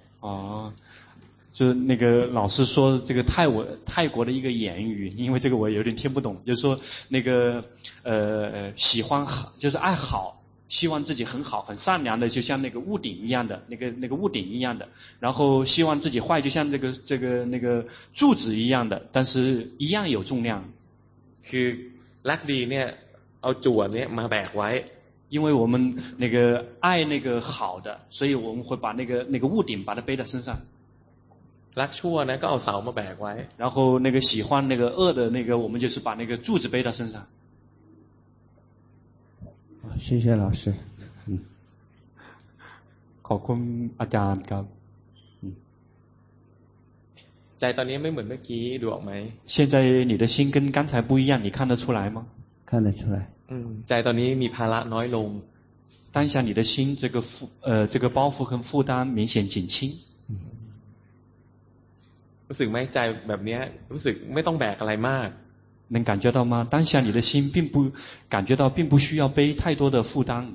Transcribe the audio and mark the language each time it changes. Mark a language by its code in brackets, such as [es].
[zh] อ๋อ就那个老师说这个泰国的一个谚语因为这个我有点听不懂就是说那个喜欢就是爱好希望自己很好很善良的，就像那个屋顶一样的，那个屋顶一样的，然后希望自己坏，就像这个那个柱子一样的，但是一样有重量。是拉低呢 [th] เอาจั่วเนี่ยมาแบกไว้ [zh] 因为我们那个爱那个好的所以我们会把那个屋顶把它背在身上 [th] รักชั่วนะก็เอาเสามาแบกไว้ [zh] 然后那个喜欢那个恶的那个我们就是把那个柱子背在身上谢谢老师 [th] ขอบคุณอาจารย์ครับ ใจตอนนี้ไม่เหมือนเมื่อกี้ดูออกไหม [zh] 现在你的心跟刚才不一样你看得出来吗看得出来 [th] ใจตอนนี้มีภาระน้อยลง [zh] 当下你的心这个包袱和负担明显减轻 [th] รู้สึกไหมใจแบบนี้รู้สึกไม่ต้องแบกอะไรมาก [zh] 能感觉到吗当下你的心并不需要背太多的负担